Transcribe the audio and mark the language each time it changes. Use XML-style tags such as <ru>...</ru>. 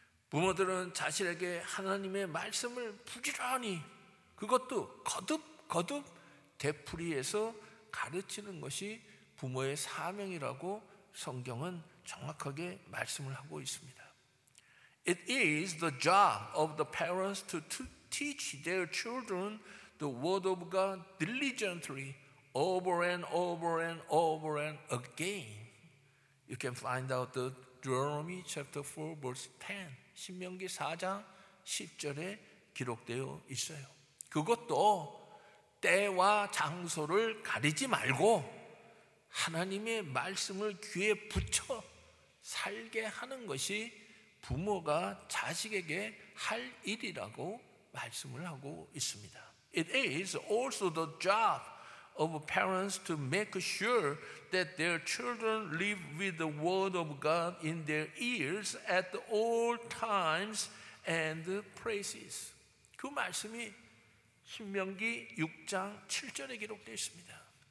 <ko>부모들은 자식에게 하나님의 말씀을 부지런히 그것도 거듭 되풀이해서 가르치는 것이 부모의 사명이라고 성경은 정확하게 말씀을 하고 있습니다.</ko> <en>It is the job of the parents to teach their children the word of God diligently over and over and over and again. You can find out the Deuteronomy chapter 4 verse 10.</en> <ko>신명기 4장 10절에 기록되어 있어요. 그것도 때와 장소를 가리지 말고 하나님의 말씀을 귀에 붙여 살게 하는 것이 부모가 자식에게 할 일이라고 말씀을 하고 있습니다.</ko> <en>It is also the job of parents to make sure that their children live with the word of God in their ears at all times and places.</en> <ko>그 말씀이 신명기 6장 7절에 기록되어 있습니다.</ko>